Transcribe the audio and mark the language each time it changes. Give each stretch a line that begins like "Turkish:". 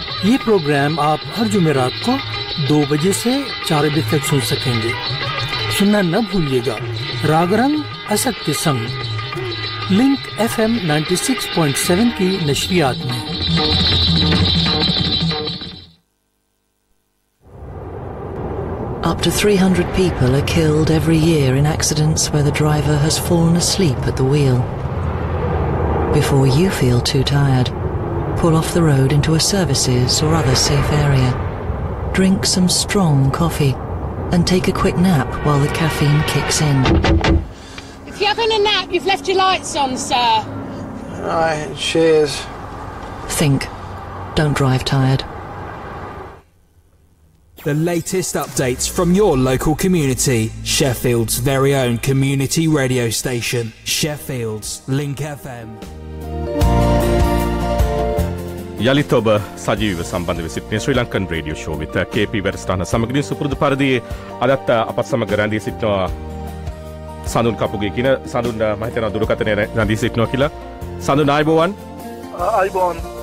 Hindi: ये प्रोग्राम आप हर जुमेरात को 2 बजे से 4 बजे तक सुन सकेंगे। सुनना न भूलिएगा राग रंग असद के संग, लिंक FM 96.7 की नशरियात में।
English: Up to 300 people are killed every year in accidents where the driver has fallen asleep at the wheel. Before you feel too tired, pull off the road into a services or other safe area. Drink some strong coffee and take a quick nap while the caffeine kicks in. If you're having a nap, you've left your lights on, sir. Aye, cheers. Think. Don't drive tired. The latest updates from your local community, Sheffield's very own community radio station, Sheffield's Link FM.
Sinhala: යලිත් ඔබ සජීව සම්බන්ධව සිටින ශ්‍රී Lankan radio show විත් KP වැඩසටහන සමගින් සුපුරුදු පරිදි අදත් අපත් සමග රැඳී සිටිනවා සඳුන් කපුගේ කියන සඳුන් මහත්තයා දුරකථනයේ රැඳී සිටිනවා කියලා. සඳුන් ආයුබෝවන්. ආයුබෝවන්.